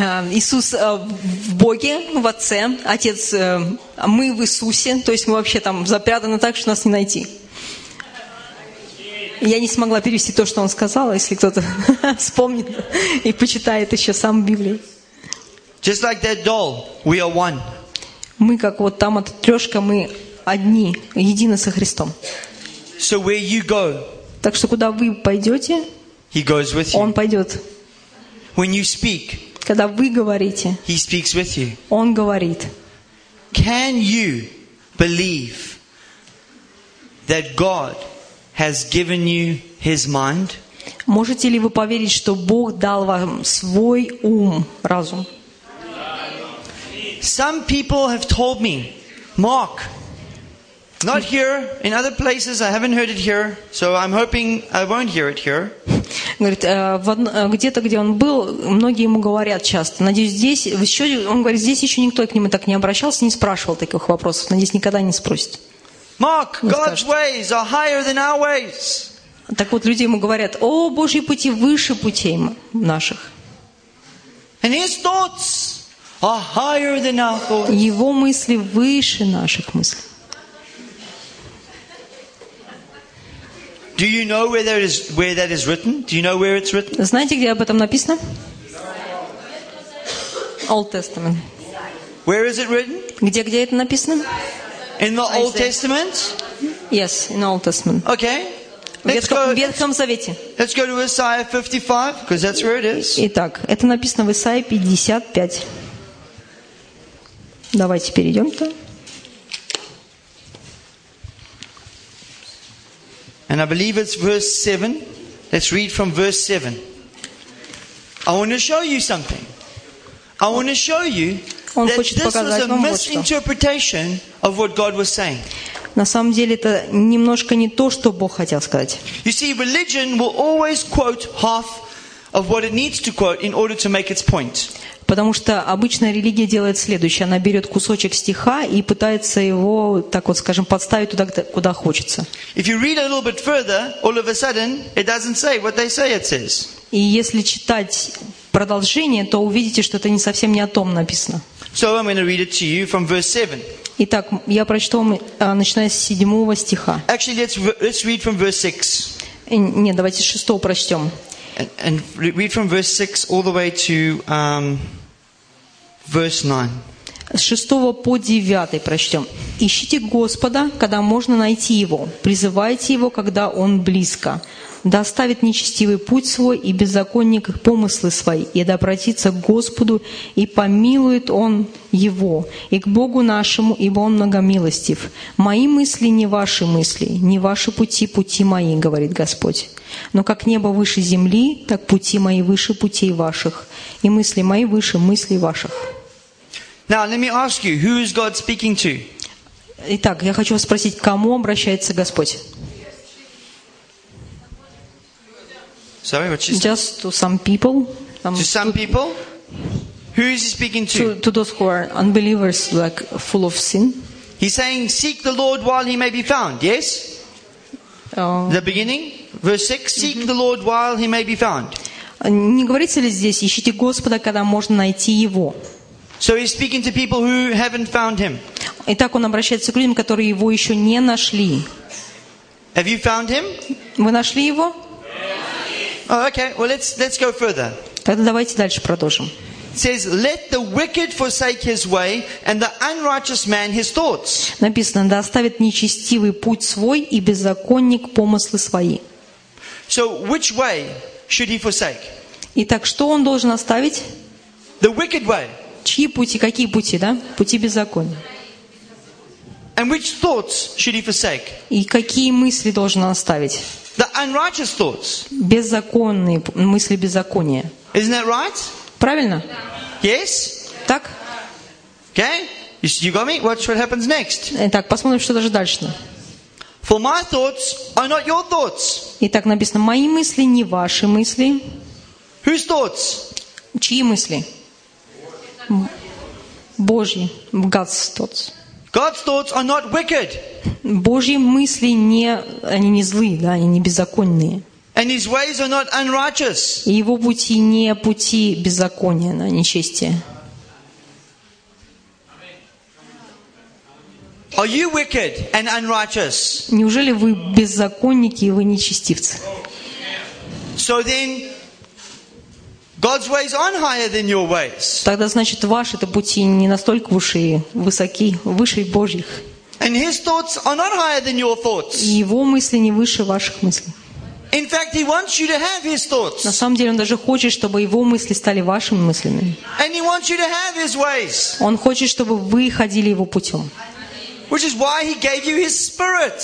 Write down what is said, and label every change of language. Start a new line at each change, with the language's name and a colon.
Russian: Иисус в Боге, в Отце, Отец, а мы в Иисусе, то есть мы вообще там запрятаны так, что нас не найти. Я не смогла перевести то, что он сказал, если кто-то вспомнит и почитает еще сам Библию.
English: Just like that doll, we are one.
Russian: Мы как вот там эта трёшка, мы одни, едины со Христом.
English: So where you go?
Russian: Так что куда вы пойдёте?
English: He goes with you.
Russian: Он пойдёт.
English: When you speak?
Russian: Когда вы говорите?
English: He speaks with you.
Russian: Он говорит.
English: Can you believe that God has given you His mind?
Russian: Можете ли вы поверить, что Бог дал вам свой ум, разум?
English: Some people have told me, Mark, not here, in other places, I haven't heard it here, so I'm hoping I won't hear it here.
Russian: Говорит, где-то, где он был, многие ему говорят часто, надеюсь, здесь, еще, он говорит, здесь еще никто к нему так не обращался, не спрашивал таких вопросов, надеюсь, никогда не спросит.
English: Mark, God's ways are higher than our ways.
Russian: Так вот, люди ему говорят, о, Божьи пути выше путей наших.
English: And his thoughts are higher than our thoughts.
Russian: Его мысли выше наших мыслей.
English: Do you know where that is written? Do you know where it's written?
Russian: Знаете, где об этом написано?
English: Old Testament. Where is it written?
Russian: Где это написано?
English: In the Old Testament? Yes, in the Old Testament. Okay. Let's go to Isaiah 55, because that's where it is.
Russian: Итак, это написано в Исаии 55. Давайте перейдем-то.
English: And I believe it's verse 7. Let's read from verse 7. I want to show you something. I want to show you that this was a misinterpretation of what God was saying.
Russian: На самом деле, это немножко не то, что Бог хотел сказать.
English: You see, religion will always quote half of what it needs to quote in order to make its point.
Russian: Потому что обычно религия делает следующее. Она берет кусочек стиха и пытается его, так вот скажем, подставить туда, куда хочется.
English: If you read a little bit further, all of a sudden, it doesn't say what they say it says.
Russian: И если читать продолжение, то увидите, что это не совсем не о том написано.
English: So I'm going to read it to you from verse 7.
Russian: Итак, я прочту вам, начиная с 7 стиха.
English: Actually, let's read from verse 6.
Russian: Нет, давайте с 6 прочтем.
English: And read from verse 6 all the way to verse 9.
Russian: С 6 по 9 прочтем. Ищите Господа, когда можно найти Его. Призывайте Его, когда Он близко. Да оставит нечестивый путь свой и беззаконник помыслы свои, и да обратится к Господу, и помилует Он его, и к Богу нашему, ибо Он многомилостив. Мои мысли не ваши мысли, не ваши пути, пути мои, говорит Господь. Но как небо выше земли, так пути мои выше путей ваших, и мысли мои выше мыслей ваших.
English: Now, let me ask you, who is God speaking to?
Russian: Итак, я хочу вас спросить, к кому обращается Господь?
English: Sorry, what she said? Just to some people. To some people? Who is he speaking to? To those who are unbelievers, like full of sin. He's saying, seek the Lord while he may be found, yes? The beginning, verse 6, seek the Lord while he may be found.
Russian: Не говорится ли здесь, ищите Господа, когда можно найти Его?
English: So he's speaking to people who haven't found him.
Russian: Итак, он обращается к людям, которые Его еще не нашли.
English: Have you found him?
Russian: Вы нашли Его?
English: Oh, okay, well let's go further.
Russian: Тогда давайте дальше продолжим.
English: It says, let the wicked forsake his way and the unrighteous man his thoughts.
Russian: Написано, да оставит нечестивый путь свой и беззаконник помыслы свои.
English: So which way should he forsake?
Russian: Итак, что он должен оставить?
English: The wicked way.
Russian: Чьи пути, какие пути, да? Пути беззакония.
English: And which thoughts should he forsake?
Russian: И какие мысли должен он оставить?
English: The unrighteous thoughts.
Russian: Беззаконные мысли беззакония.
English: Isn't that right?
Russian: Правильно?
English: Yes.
Russian: Так?
English: Okay. You got me? Watch what happens next.
Russian: Итак, посмотрим, что даже дальше.
English: For my thoughts are not your thoughts.
Russian: Итак, написано, мои мысли не ваши мысли.
English: Whose thoughts?
Russian: Чьи мысли? Божьи.
English: God's thoughts. God's thoughts are not wicked.
Russian: Божьи мысли не, они не злые, да, они не беззаконные.
English: And his ways are not unrighteous.
Russian: И его пути не пути беззакония, да, нечестия.
English: Are you wicked and unrighteous?
Russian: Неужели вы беззаконники и вы нечестивцы?
English: So then, God's ways aren't higher than your ways.
Russian: Тогда значит ваши это пути не настолько высокие, высоки, выше Божьих.
English: And his thoughts are not higher than your thoughts.
Russian: Его мысли не выше ваших мыслей.
English: In fact, he wants you to have his thoughts.
Russian: На самом деле он даже хочет, чтобы его мысли стали вашими мыслями.
English: And he wants you to have his ways.
Russian: Он хочет, чтобы вы ходили его путем.
English: Which is why he gave you his spirit.